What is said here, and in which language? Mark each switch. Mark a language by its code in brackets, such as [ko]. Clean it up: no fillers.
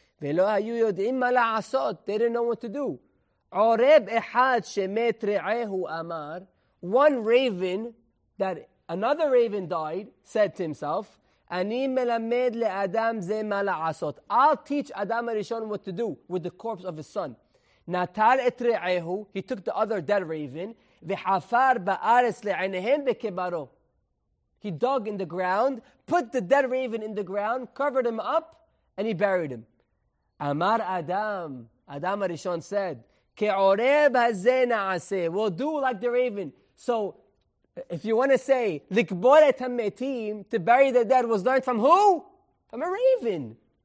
[he] ולא היו יודעים מה לעשות. [en] They didn't know what to do. [he] עורב אחד שמת רעהו אמר. [en] One raven, that another raven died, said to himself, [he] אני מלמד לאדם זה מה לעשות. [en] I'll teach Adam הראשון what to do with the corpse of his son. [he] נטל את רעהו, [en] he took the other dead raven, [he] וחפר בארץ לעיניהם בקברו. [en] He dug in the ground, put the dead raven in the ground, covered him up, and he buried him. Amar Adam, Adam HaRishon said, [he] Ke'oreb haze na'aseh, [en] we'll do like the raven. So, if you want to say, [he] Likbor et hametim, [en] to bury the dead, was learned from who? From a raven.